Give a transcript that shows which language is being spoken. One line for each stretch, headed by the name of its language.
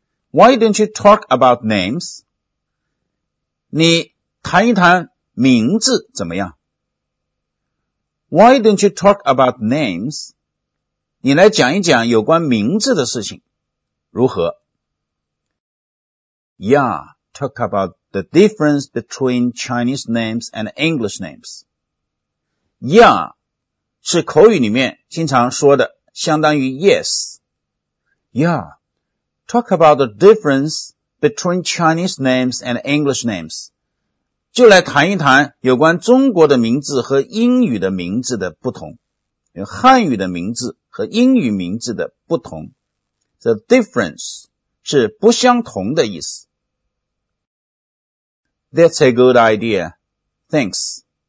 English: Why don't you talk about names?
Chinese: 你谈一谈名字怎么样？
English: Why don't you talk about names?
Chinese: 你来讲一讲有关名字的事情，如何？
English: Yeah, talk about the difference between Chinese names and English names.
Chinese: Yeah, 是口语里面经常说的，相当于 yes.
English: Yeah, talk about the difference between Chinese names and English names.
Chinese: 就来谈一谈有关中国的名字和英语的名字的不同，汉语的名字和英语名字的不同。 The difference 是不相同的意思。
English: That's a good idea. Thanks.